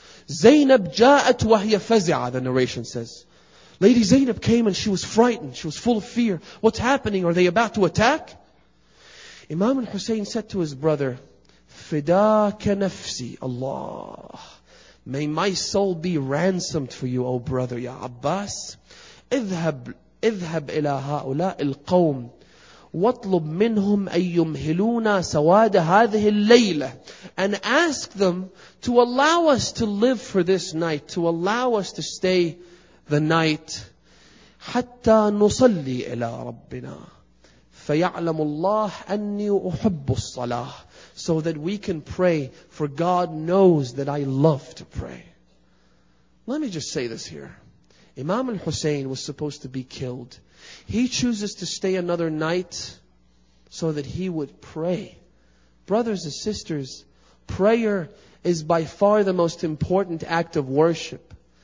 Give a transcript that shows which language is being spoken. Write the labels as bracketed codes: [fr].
[en] Zainab [ar] جاءت وهي فزعة, [en] the narration says. Lady Zainab came and she was frightened. She was full of fear. What's happening? Are they about to attack? Imam al-Hussein said to his brother, [ar] فداك نفسي, [en] Allah. May my soul be ransomed for you, O brother, Ya Abbas. [ar] اذهب إلى هؤلاء القوم واطلب منهم أن يمهلونا سواد هذه الليلة. [en] And ask them to allow us to live for this night, to allow us to stay the night. [ar] حتى نصلي إلى ربنا فيعلم الله أني أحب الصلاة. [en] So that we can pray, for God knows that I love to pray. Let me just say this here. Imam al-Hussein was supposed to be killed. He chooses to stay another night so that he would pray. Brothers and sisters, prayer is by far the most important act of worship.